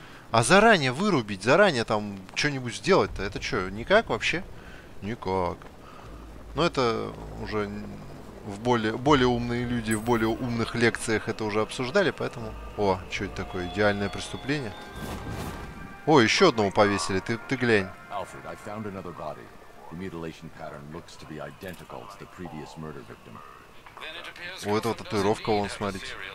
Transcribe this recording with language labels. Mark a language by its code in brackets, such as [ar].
[ru] А заранее вырубить, заранее там что-нибудь сделать-то, это что, никак вообще? Никак. Но это уже в более умные люди в более умных лекциях это уже обсуждали, поэтому... О, что это такое? Идеальное преступление. О, еще одного повесили. Ты глянь. [en] Alfred, I found another body. The mutilation pattern looks to be identical to the previous murder victim. [ru] У этого татуировка, вон, смотрите.